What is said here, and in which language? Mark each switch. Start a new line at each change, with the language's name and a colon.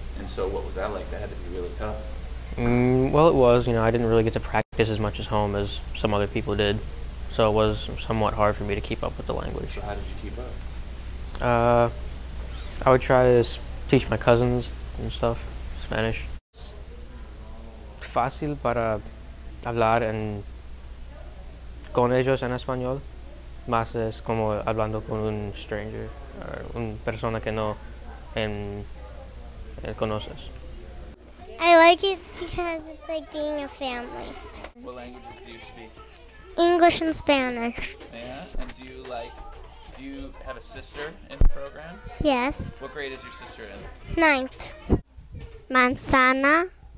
English: And so what was that like? That had to be really tough? Well, it was. You know, I didn't really get to practice as much at home as some other people did. So it was somewhat hard for me to keep up with the language. So how did you keep up? I would try to teach my cousins and stuff, Spanish.
Spanish: Fácil para hablar en con ellos en español, más es como hablando con un stranger, una persona que no en conoces.
English: I like it because it's like being a family. What languages do you speak? English and Spanish. Yeah, and do you have a sister in the program? Yes. What grade is your sister in? Ninth.
Spanish: Manzana.